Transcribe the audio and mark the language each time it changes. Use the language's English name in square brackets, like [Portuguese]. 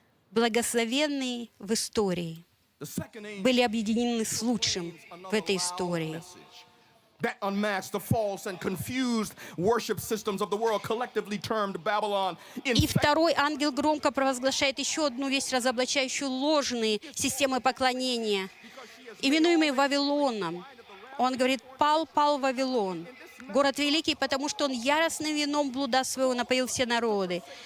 [Russian] Благословенные в истории были объединены с лучшим в этой истории. [English] That unmasked the false and confused worship systems of the world, collectively termed Babylon. [Russian] И второй ангел громко провозглашает еще одну весть, разоблачающую ложные системы поклонения, именуемые Вавилоном. Он говорит: «Пал, пал Вавилон». город великий, потому что он яростным вином блуда своего напоил все народы.